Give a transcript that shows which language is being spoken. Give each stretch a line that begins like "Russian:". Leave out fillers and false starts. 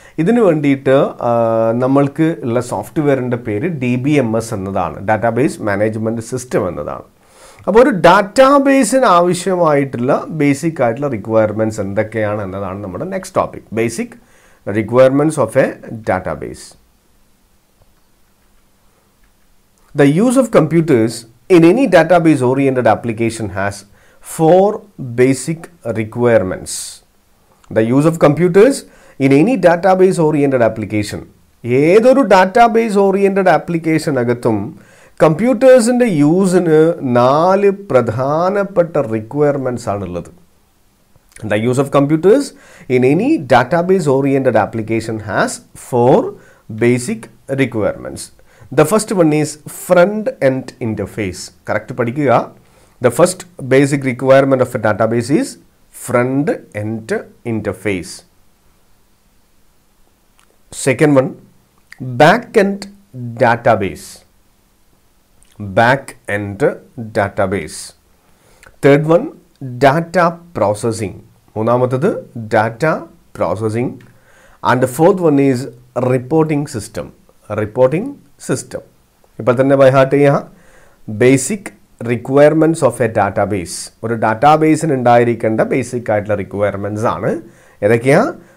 Malayalam: ഇതിനു വേണ്ടിയിട്ട് നമ്മൾക്ക് ഉള്ള സോഫ്റ്റ്വെയറിൻ്റെ പേര് DBMS എന്നതാണ്, ഡാറ്റാബേസ് മാനേജ്മെൻറ്റ് സിസ്റ്റം എന്നതാണ്. അപ്പോൾ ഒരു ഡാറ്റാബേസിന് ആവശ്യമായിട്ടുള്ള ബേസിക് ആയിട്ടുള്ള റിക്വയർമെൻറ്റ്സ് എന്തൊക്കെയാണ് എന്നതാണ് നമ്മുടെ next topic, basic
English: requirements of a database. The use of computers in any database oriented application has 4 basic requirements. The use of computers in any database oriented application,
Malayalam: ഏതൊരു database oriented application അകത്തും കമ്പ്യൂട്ടേഴ്സിൻ്റെ യൂസിന് 4 പ്രധാനപ്പെട്ട requirements ആണുള്ളത്.
English: The use of computers in any database-oriented application has 4 basic requirements. The first one is front-end interface. Correct
Malayalam: padikkuka.
English: The first basic requirement of a database is front-end interface. Second one, back-end database. Back-end database. Third one, data processing.
Malayalam: മൂന്നാമത്തത് data processing.
English: And fourth one is reporting system. Reporting system.
Malayalam: ഇപ്പോൾ തന്നെ by heart ചെയ്യുക,
English: Basic requirements of a database.
Malayalam: ഒരു ഡാറ്റാബേസിന് ഉണ്ടായിരിക്കേണ്ട basic ആയിട്ടുള്ള requirements ആണ് ഏതൊക്കെയാ?